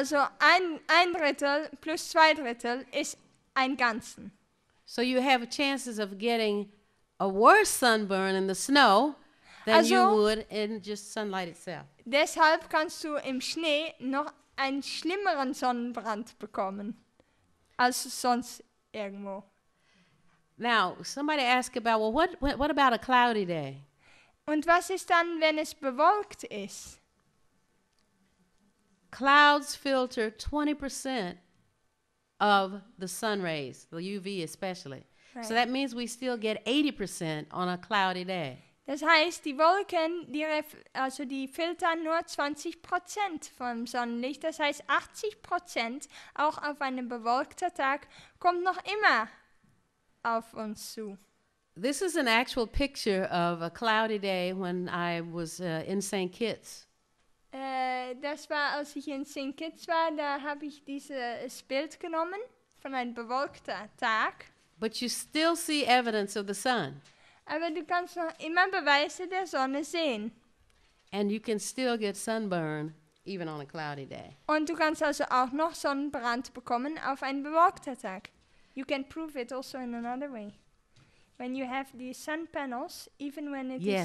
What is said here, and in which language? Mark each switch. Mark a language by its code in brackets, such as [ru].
[de] Also ein Drittel plus zwei Drittel ist ein Ganzen. [en] So you have chances of getting a worse sunburn in the snow than also, you would in just sunlight itself. [de] Deshalb kannst du im Schnee noch einen schlimmeren Sonnenbrand bekommen als sonst irgendwo. [en] Now, somebody asked about, well, what about a cloudy day? [de] Und was ist dann, wenn es bewolkt ist? [en] Clouds filter 20% of the sun rays, the UV especially. Right. So that means we still get 80% on a cloudy day. [de] Das heißt, die Wolken, die filtern nur 20% vom Sonnenlicht. Das heißt, 80% auch auf einem bewolkten Tag kommt noch immer auf uns zu. [en] This is an actual picture of a cloudy day when I was in St. Kitts. [de] Das war, als ich in St. Kitts war, da habe ich dieses Bild genommen von einem bewolkten Tag. [en] But you still see evidence of the sun. [de] Aber du kannst noch immer Beweise der Sonne sehen. [en] And you can still get sunburn even on a cloudy day. [de] Und du kannst also auch noch Sonnenbrand bekommen auf einen bewolkten Tag. [en] You can prove it also in another way. When you have the sun panels, even when it